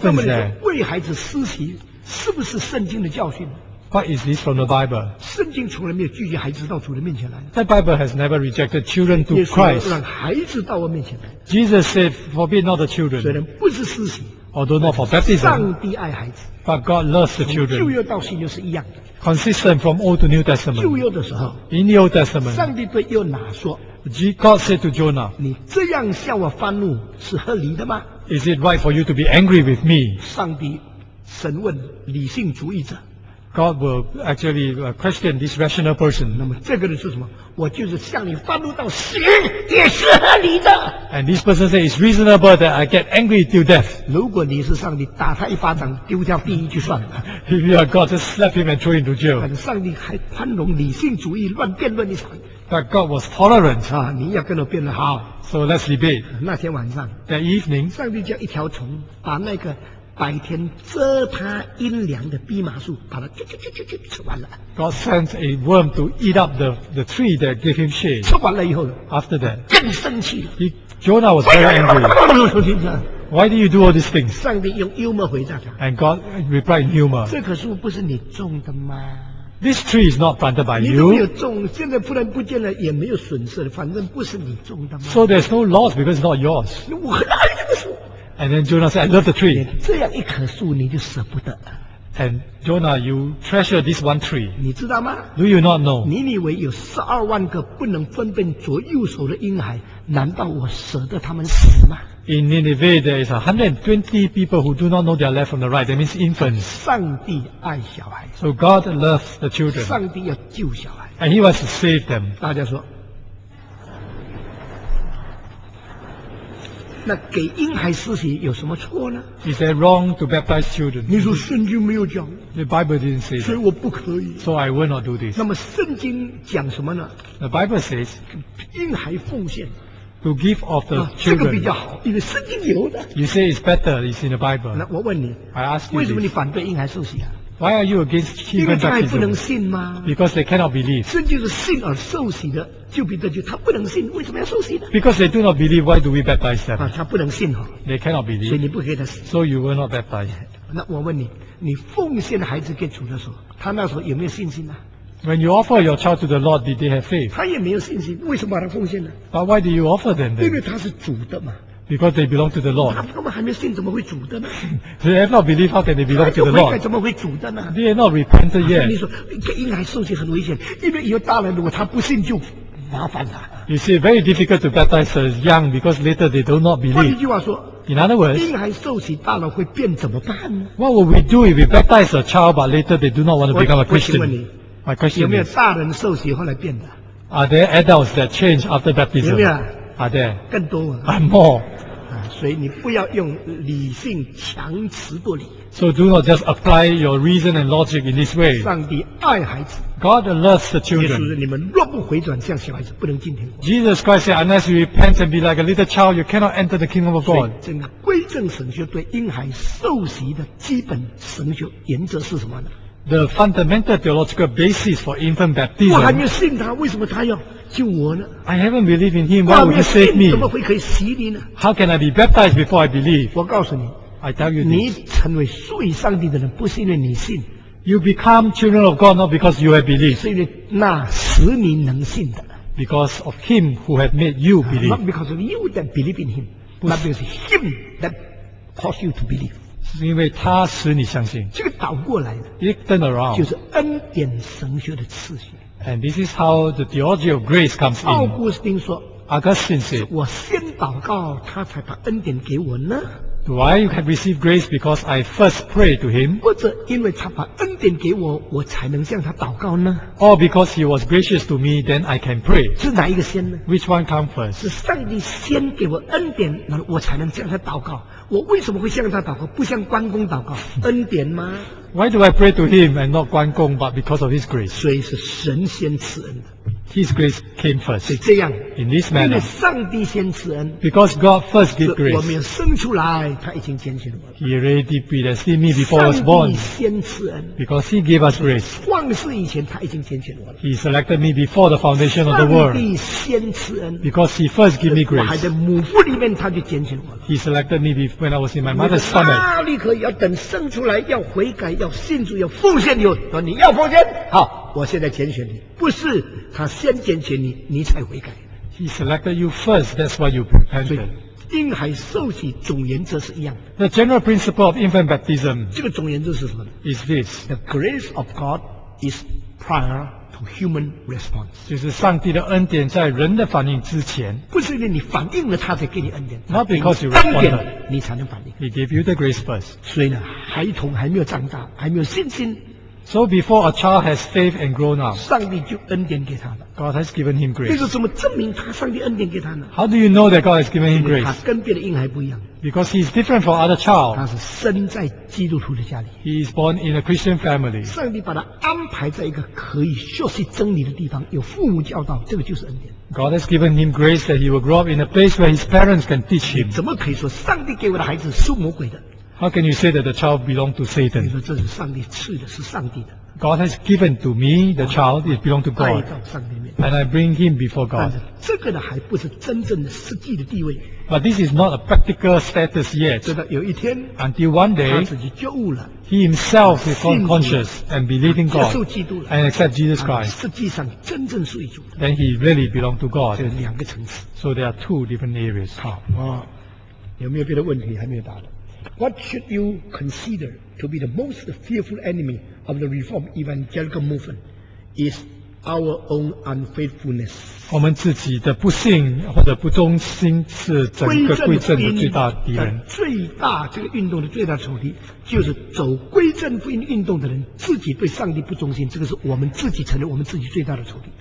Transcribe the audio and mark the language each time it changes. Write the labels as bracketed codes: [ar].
[zh] 那么你说为孩子施洗是不是圣经的教训？ [en] What is this from the Bible? [zh] 圣经从来没有拒绝孩子到主的面前来。 [en] The Bible has never rejected children to Christ. [zh] 耶稣让孩子到我面前来。 [en] Jesus said, "Forbid not the children." [zh] 虽然不是施洗 [en] ，although not for baptism. [zh] 上帝爱孩子 [en] ，but God loves the children. [zh] 旧约到新约是一样的 [en] ，consistent from Old to New Testament. [zh] 旧约的时候 [en] ，in the Old Testament, [zh] 上帝对约拿说 [en] ，God said to Jonah, [zh] 你这样向我发怒是合理的吗 [en] ？Is it right for you to be angry with me? [zh] 上帝审问理性主义者。 [en] God will actually question this rational person. [zh] 那么这个人是什么？我就是向你发怒到死也是合理的。 [en] And this person says it's reasonable that I get angry till death. [zh] 如果你是上帝，打他一巴掌，丢掉地狱就算了。 [en] If you are God, just slap him and throw him into jail. [zh] 但是上帝还宽容理性主义乱辩论一场。 [en] But God was tolerant. [zh] 啊，你要跟我辩论好。 [en] So let's debate. [zh] 那天晚上 [en] ，That evening, [zh] 上帝叫一条虫把那个。白天遮他阴凉的蓖麻树，把它吃完了。 [en] God sent a worm to eat up the tree that gave him shade. [zh] 吃完了以后 [en] ，After that， [zh] 更生气了。 [en] Jonah was very angry. Why do you do all these things? [zh] 上帝用幽默回答他。 [en] And God replied in humor. [zh] 这棵树不是你种的吗 [en] ？This tree is not planted by you. [zh] 你都没有种，现在不然不见了也没有损失了，反正不是你种的吗 [en] ？So there's no loss because it's not yours. [zh] 我很爱这棵树。 [en] And then Jonah said, "I love the tree." [zh] 这样一棵树你就舍不得。 [en] And Jonah, you treasure this one tree. [zh] 你知道吗 [en] ？Do you not know? [zh] 你以为有十二万个不能分辨左右手的婴孩，难道我舍得他们死吗 [en] ？In Nineveh, there is 120 people who do not know their left from the right. That means infants. [zh] 上帝爱小孩。 [en] So God loves the children. [zh] 上帝要救小孩。 [en] And He wants to save them. [zh] 大家说。那给婴孩施洗有什么错呢 [en] ？Is it wrong to baptize children？ [zh] 你说圣经没有讲 [en] ，The Bible didn't say， [zh] 所以我不可以 [en] ，So I will not do this。 [zh] 那么圣经讲什么呢 [en] ？The Bible says， [zh] 婴孩奉献 [en] ，to give of the children、 [zh] 啊。这个比较好，因为圣经有的。 [en] You say it's better, it's in the Bible。 [zh] 那我问你 [en] ，I ask you， [zh] 为什么你反对婴孩施洗啊 [en] ？Why are you against infant baptism？ [zh] 因为他还不能信吗 [en] ？Because they cannot believe。 [zh] 圣经是信而受洗的。就彼得就他不能信，为什么要受洗呢 [en] ？Because they do not believe, why do we baptize them？ [zh] 啊，他不能信哈、 [en] 哦。They cannot believe。 [zh] 所以你不给他。 [en] So you will not baptize。 [zh] 那我问你，你奉献孩子给主的时候，他那时候有没有信心呢 [en] ？When you offer your child to the Lord, did they have faith？ [zh] 他也没有信心，为什么把他奉献呢 [en] ？But why do you offer them？ [zh] 因为他是主的嘛。 [en] Because they belong to the Lord. [zh] 他们还没信，怎么会主的呢 [en] ？They have not believed how can they belong to the Lord. [zh] 怎么会主的呢 [en] ？They have not repented yet. [zh] 你说给婴孩受洗很危险，因为有大人如果他不信就。麻烦了。 [en] You see, very difficult to baptize the young because later they do not believe. [zh] 换一句话说 [en] ，In other words, [zh] 婴孩受洗大了会变怎么办呢 [en] ？What will we do if we baptize a child but later they do not want to become a Christian? [zh] 我请问你 [en] ，My question is, [zh] 有没有大人受洗后来变的 [en] ？Are there adults that change after baptism? [zh] 有没有 [en] ？Are there? [zh] 更多啊。 [en] And more. [zh] 啊，所以你不要用理性强词夺理。 [en] So do not just apply your reason and logic in this way. [zh] 上帝爱孩子。 [en] God loves the children. [zh] 耶稣说：“你们若不回转，像小孩子，不能进天国。” [en] Jesus Christ said, "Unless you repent and be like a little child, you cannot enter the kingdom of God." [zh] 所以，整个归正神学对婴孩受洗的基本神学原则是什么呢 [en] ？The fundamental theological basis for infant baptism. [zh] 我还没有信他，为什么他要救我呢 [en] ？I haven't believed in him. Why would he save me? [zh] 怎么会可以洗你呢 [en] ？How can I be baptized before I believe? [zh] 我告诉你 [en] ，I tell you this. [zh] 你成为属于上帝的人，不是因为你信。 [en] You become children of God not because you have believed. [zh] 是因为那使你能信的。 [en] Because of Him who had made you believe. Not because of you that believe in Him. Not because Him that caused you to believe. [zh] 是因为他使你相信。这个倒过来的。 [en] It turned around. [zh] 就是恩典神学的次序。 [en] And this is how the theology of grace comes in. [zh] 奥古斯丁说。 [en] Augustine said. [zh] 我先祷告，他才把恩典给我呢。 [en] Do I have received grace because I first prayed to him? [zh] 或者因为他把恩典给我，我才能向他祷告呢 [en] ？Or because he was gracious to me, then I can pray. [zh] 是哪一个先呢 [en] ？Which one comes first? [zh] 是上帝先给我恩典，我才能向他祷告。我为什么会向他祷告，不向关公祷告？恩典吗？ [en] Why do I pray to him and not 关公 but because of his grace? [zh] 所以是神先赐恩的。 [en] His grace came first. [zh] 所以这样 [en] in this manner, [zh] 因为上帝先赐恩。 [en] Because God first gave grace. [zh] 我没有生出来，他已经拣选我了。 [en] He already predestined me before I was born. [zh] 上帝先赐恩。 [en] Because he gave us grace. [zh] 创世以前他已经拣选我了。 [en] He selected me before the foundation of the world. [zh] 上帝先赐恩。 [en] Because he first gave me grace. [zh] 我还在母腹里面他就拣选我了。 [en] He selected me when I was in my mother's stomach. [zh] 哪里可以要等生出来要悔改要信主要奉献你？说你要奉献，好。我现在拣选你，不是他先拣选你，你才悔改。 [en] He selected you first, that's why you repented. [zh] 所以婴孩受洗总原则是一样的。 [en] The general principle of infant baptism. [zh] 这个总原则是什么 [en] ？Is this the grace of God is prior to human response? [zh] 就是上帝的恩典在人的反应之前。不是因为你反应了，他才给你恩典。 [en] Not because you responded. [zh] 你才能反应。 [en] He gave you the grace first. [zh] 所以呢，孩童还没有长大，还没有信心。 [en] So before a child has faith and grown up, [zh] 上帝就恩典给他了。 [en] God has given him grace. [zh] 这是怎么证明他上帝恩典给他呢 [en] ？How do you know that God has given him grace? [zh] 他跟别的婴孩不一样。 [en] Because he is different from other child. [zh] 他是生在基督徒的家里。 [en] He is born in a Christian family. [zh] 上帝把他安排在一个可以学习真理的地方，有父母教导，这个就是恩典。 [en] God has given him grace that he will grow up in a place where his parents can teach him. [zh] 怎么可以说上帝给我的孩子是魔鬼的？ [en] How can you say that the child belongs to Satan? [zh] 你说这是上帝赐的，是上帝的。 [en] God has given to me the child. It belongs to God. [zh] 带到上帝面。 [en] And I bring him before God. [zh] 但是这个呢，还不是真正的实际的地位。 [en] But this is not a practical status yet. [zh] 直到有一天 [en] ，until one day， [zh] 他自己觉悟了。 [en] He himself is conscious and believing God. [zh] 接受基督了。 [en] And accept Jesus Christ. [zh] 实际上真正属于主。 [en] Then he really belongs to God. [zh] 这两个层次。 [en] So there are two different areas. [zh] 好，有没有别的问题还没有答的？ [en] What should you consider to be the most fearful enemy of the Reformed Evangelical movement is our own unfaithfulness. [zh] 我们自己的不幸或者不忠心是整个归正的最大敌人。最大这个运动的最大仇敌就是走归正福音运动的人自己对上帝不忠心，这个是我们自己承认我们自己最大的仇敌。